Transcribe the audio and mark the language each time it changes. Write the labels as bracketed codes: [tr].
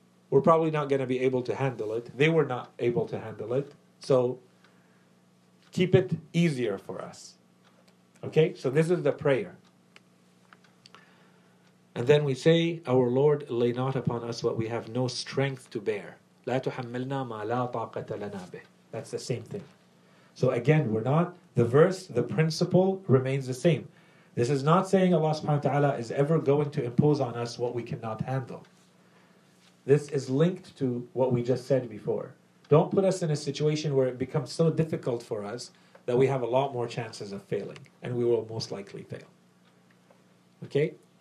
[en] We're probably not going to be able to handle it. They were not able to handle it. So keep it easier for us. Okay? So this is the prayer. And then we say, Our Lord, lay not upon us what we have no strength to bear. [ar] لا تحملنا ما لا طاقة لنا به. [en] That's the same thing. So again, we're not, the verse, the principle remains the same. This is not saying Allah subhanahu wa ta'ala is ever going to impose on us what we cannot handle. This is linked to what we just said before. Don't put us in a situation where it becomes so difficult for us that we have a lot more chances of failing, and we will most likely fail. Okay?